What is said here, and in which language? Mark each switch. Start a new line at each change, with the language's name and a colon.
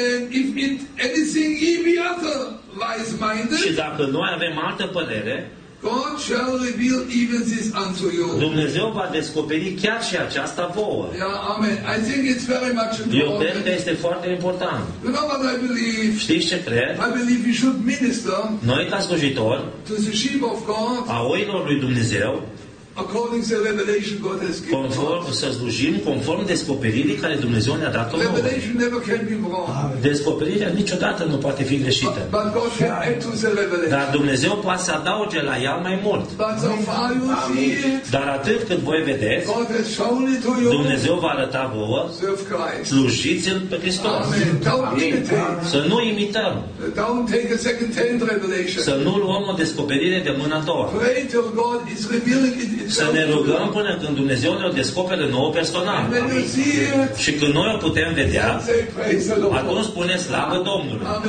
English: If it anything ye be other.
Romanian: Și dacă noi avem altă părere,
English: God shall reveal even this unto you.
Romanian: Dumnezeu va descoperi chiar și aceasta vouă.
English: Yeah, amen. I think it's very much important.
Romanian: Eu cred că este foarte important.
English: You know what I believe?
Romanian: Știți ce cred?
English: I believe we should minister.
Romanian: Noi ca slujitori,
English: to the sheep of God,
Romanian: a oilor lui Dumnezeu,
English: according to the revelation God has given.
Romanian: Conform să slujim conform descoperirii care Dumnezeu ne-a dat-o.
English: Revelation never can be wrong.
Romanian: Descoperirea niciodată nu poate fi greșită.
English: But God can add to the revelation.
Romanian: Dar Dumnezeu poate să adauge la ea mai mult.
English: But so far you see it,
Romanian: dar atât cât voi vedeți,
English: God has shown it to you.
Romanian: Dumnezeu va arăta vouă.
English: Serve Christ.
Romanian: Slujiți-L pe Hristos.
English: Amen. Don't imitate.
Romanian: Să nu imităm.
English: Don't take a second hand revelation.
Romanian: Să nu luăm o descoperire de mâna a doua.
English: Pray till God is revealing it.
Romanian: Să ne rugăm până când Dumnezeu ne-o descopere nouă personal. Și când noi o putem vedea, atunci spune slavă Domnului.